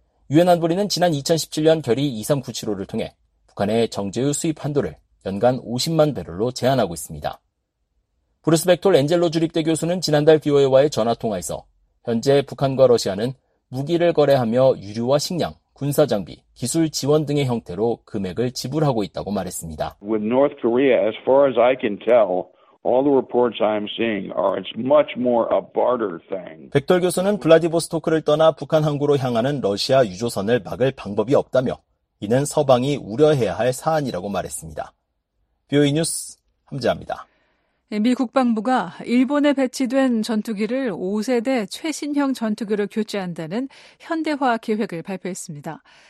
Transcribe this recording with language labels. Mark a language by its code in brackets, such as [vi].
[ko] 유엔 안보리는 지난 2017년 결의 2397호를 통해 북한의 정제유 수입 한도를 연간 50만 배럴로 제한하고 있습니다. 브루스 벡톨 엔젤로 주립대 교수는 지난달 BOA와의 전화통화에서 현재 북한과 러시아는 무기를 거래하며 유류와 식량, 군사장비, 기술 지원 등의 형태로 금액을 지불하고 있다고 말했습니다. [en] With North Korea, as far as I can tell, all the reports I'm seeing are it's much more a barter thing. [ko] 벡톨 교수는 블라디보스토크를 떠나 북한 항구로 향하는 러시아 유조선을 막을 방법이 없다며 이는 서방이 우려해야 할 사안이라고 말했습니다. BOA 뉴스 함재합니다. 미 국방부가 일본에 배치된 전투기를 5세대 최신형 전투기로 교체한다는 현대화 계획을 발표했습니다.